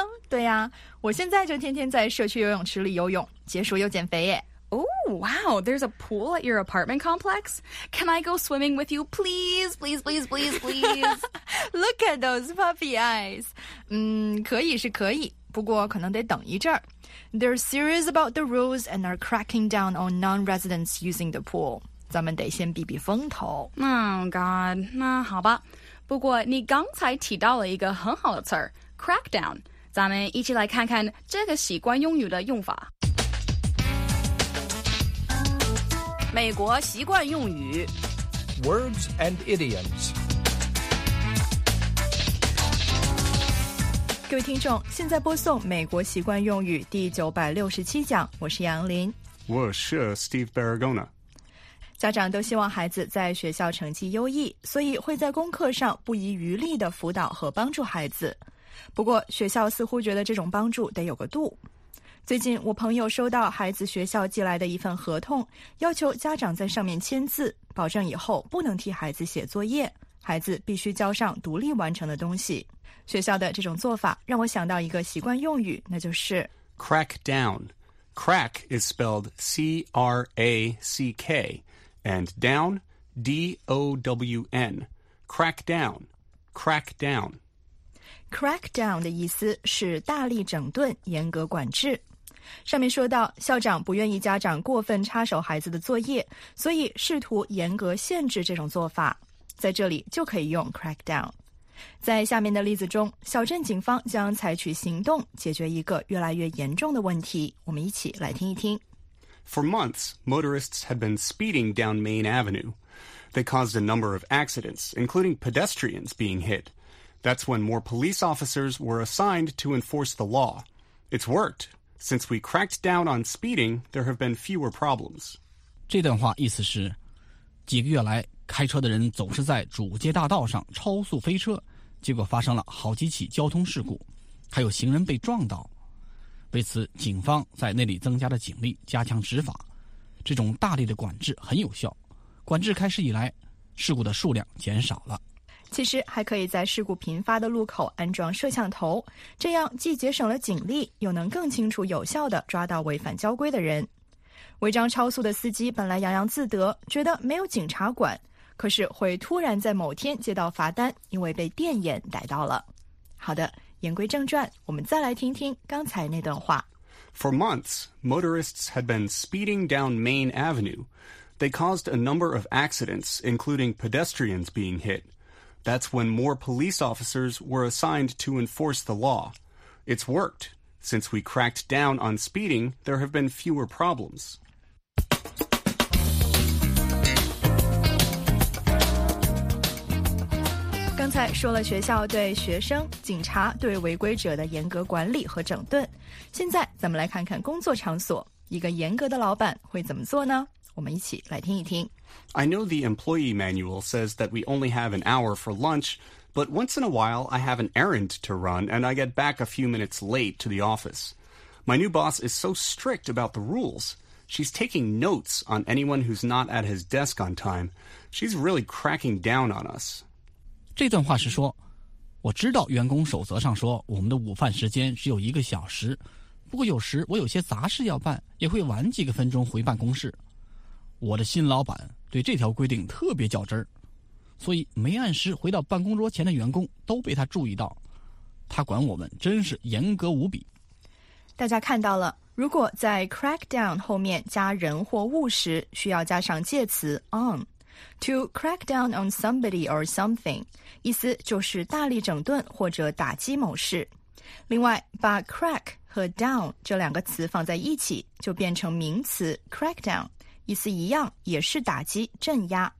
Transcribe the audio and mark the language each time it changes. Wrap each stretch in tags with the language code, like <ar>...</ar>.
<zh>对呀，我现在就天天在社区游泳池里游泳，解暑又减肥耶。</zh> <en>Oh, wow, there's a pool at your apartment complex? Can I go swimming with you, please, please, please, please, please? Look at those puppy eyes.</en> <zh>可以是可以，不过可能得等一阵儿。</zh> <en>They're serious about the rules and are cracking down on non-residents using the pool.</en> <zh>咱们得先避避风头。</zh> <en>Oh, God,</en> <zh>那好吧。不过你刚才提到了一个很好的词儿 crackdown. 咱们一起来看看这个习惯用语的用法。美国习惯用语</zh> <en>Words and idioms.</en> <zh>各位听众，现在播送美国习惯用语第967讲，我是杨林，我是 Steve Barragona。家长都希望孩子在学校成绩优异，所以会在功课上不遗余力地辅导和帮助孩子，不过学校似乎觉得这种帮助得有个度。最近我朋友收到孩子学校寄来的一份合同，要求家长在上面签字，保证以后不能替孩子写作业，孩子必须交上独立完成的东西。学校的这种做法让我想到一个习惯用语，那就是</zh> <en>crack down. Crack is spelled C-R-A-C-K and down D-O-W-N. Crack down. Crack down.</en> <zh>Crack down 的意思是大力整顿，严格管制。上面说到，校长不愿意家长过分插手孩子的作业，所以试图严格限制这种做法，在这里就可以用 crack down。在下面的例子中，小镇警方将采取行动解决一个越来越严重的问题，我们一起来听一听。</zh> <en>For months, motorists had been speeding down Main Avenue. They caused a number of accidents, including pedestrians being hit. That's when more police officers were assigned to enforce the law. It's worked. Since we cracked down on speeding, there have been fewer problems.</en> <zh>这段话意思是，几个月来，开车的人总是在主街大道上超速飞车，结果发生了好几起交通事故，还有行人被撞倒。为此，警方在那里增加了警力，加强执法。这种大力的管制很有效，管制开始以来，事故的数量减少了。其实还可以在事故频发的路口安装摄像头，这样既节省了警力，又能更清楚有效地抓到违反交规的人。违章超速的司机本来洋洋自得，觉得没有警察管，可是会突然在某天接到罚单，因为被电眼逮到了。好的，言归正传，我们再来听听刚才那段话。</zh> <en>For months, motorists had been speeding down Main Avenue. They caused a number of accidents, including pedestrians being hit. That's when more police officers were assigned to enforce the law. It's worked. Since we cracked down on speeding, there have been fewer problems.</en> <zh>刚才说了学校对学生、警察对违规者的严格管理和整顿，现在咱们来看看工作场所，一个严格的老板会怎么做呢？我们一起来听一听。</zh> <en>I know the employee manual says that we only have an hour for lunch, but once in a while I have an errand to run and I get back a few minutes late to the office. My new boss is so strict about the rules. She's taking notes on anyone who's not at his desk on time. She's really cracking down on us.</en> <zh>这段话是说，我知道员工守则上说我们的午饭时间只有一个小时，不过有时我有些杂事要办，也会晚几个分钟回办公室。我的新老板对这条规定特别较真儿，所以没按时回到办公桌前的员工都被他注意到，他管我们真是严格无比。大家看到了，如果在 crackdown 后面加人或物时，需要加上介词 on。</zh> <en>To crack down on somebody or something,</en> <zh>意思就是大力整顿或者打击某事。另外，把 crack 和 down 这两个词放在一起，就变成名词 crackdown, 意思一样，也是打击、镇压。</zh>